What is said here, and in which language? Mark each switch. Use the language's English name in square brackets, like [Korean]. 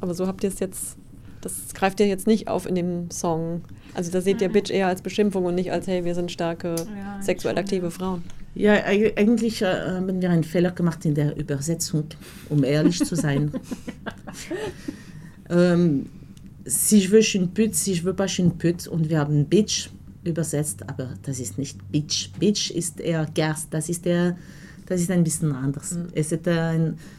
[German] Aber so habt ihr es jetzt, das greift ihr jetzt nicht auf in dem Song. Also da seht ihr Bitch eher als Beschimpfung und nicht als, hey, wir sind starke, ja, sexuell aktive Frauen. Ja, eigentlich haben wir einen Fehler gemacht in der Übersetzung, um ehrlich zu sein. [French] si je veux, je suis une pute, si je veux pas, je suis une pute. [German] Und wir haben Bitch übersetzt, aber das ist nicht Bitch. Bitch ist eher Gerst, das ist ein bisschen anders. Mhm. Es ist ein...